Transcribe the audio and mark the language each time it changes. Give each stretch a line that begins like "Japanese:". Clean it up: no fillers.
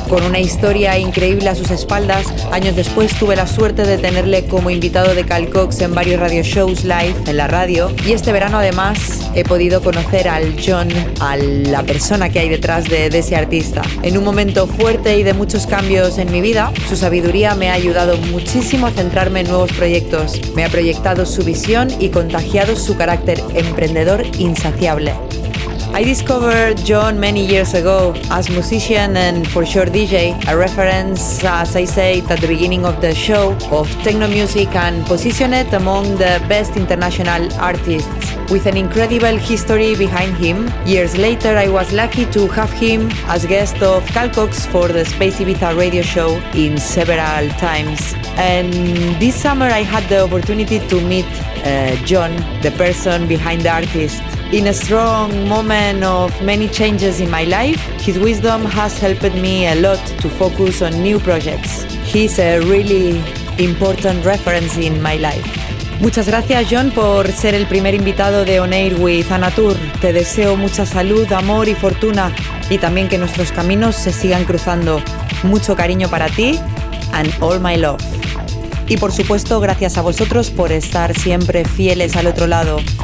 Spanish: Con una historia increíble a sus espaldas, años después tuve la suerte de tenerle como invitado de Cal Cox en varios radio shows live en la radio, y este verano además he podido conocer al John, a la persona que hay detrás de ese artista. En un momento fuerte y de muchos cambios en mi vida, su sabiduría me ha ayudado muchísimo a centrarme en nuevos proyectos. Me ha proyectado su visión y contagiado su carácter emprendedor insaciable.
English: I discovered John many years ago as musician and for sure DJ, a reference, as I said at the beginning of the show, of techno music and position it among the best international artists. With an incredible history behind him, years later I was lucky to have him as guest of Cal Cox for the Space Ibiza radio show in several times. And this summer I had the opportunity to meet John, the person behind the artist. In a strong moment of many changes in my life, his wisdom has helped me a lot to focus on new projects. He's a really important reference in my life.
Spanish: Muchas gracias, John, por ser el primer invitado de On Air with Anatur. Te deseo mucha salud, amor y fortuna, y también que nuestros caminos se sigan cruzando. Mucho cariño para ti
English: and all my love.
Spanish: Y por supuesto, gracias a vosotros por estar siempre fieles al otro lado.